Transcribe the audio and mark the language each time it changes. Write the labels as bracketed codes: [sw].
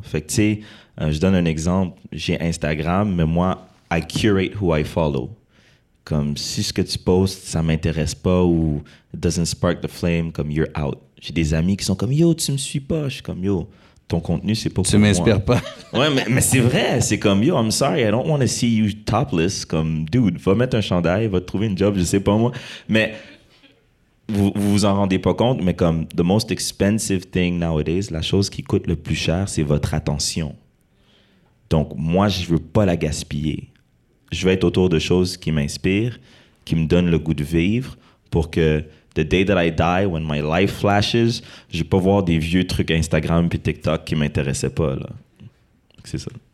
[fr] Fait que tu sais, je donne un exemple. J'ai Instagram, mais moi, [en] I curate who I follow. [fr] Comme si ce que tu postes, ça m'intéresse pas ou [en] it doesn't spark the flame, [fr] comme [en] you're out. [fr] J'ai des amis qui sont comme yo, tu me suis pas. Je suis comme yo, ton contenu, c'est pas pour moi. Tu m'inspires pas. Ouais, mais c'est vrai. C'est comme [en] yo, I'm sorry, I don't want to see you topless. [fr] Comme dude, va mettre un chandail, va te trouver une job, je sais pas moi. Mais vous vous en rendez pas compte, mais comme [en] the most expensive thing nowadays, [fr] la chose qui coûte le plus cher, c'est votre attention. Donc moi, je veux pas la gaspiller. Je veux être autour de choses qui m'inspirent, qui me donnent le goût de vivre, pour que [en] the day that I die, when my life flashes, [fr] je vais pas voir des vieux trucs Instagram puis TikTok qui m'intéressaient pas là. Donc, c'est ça.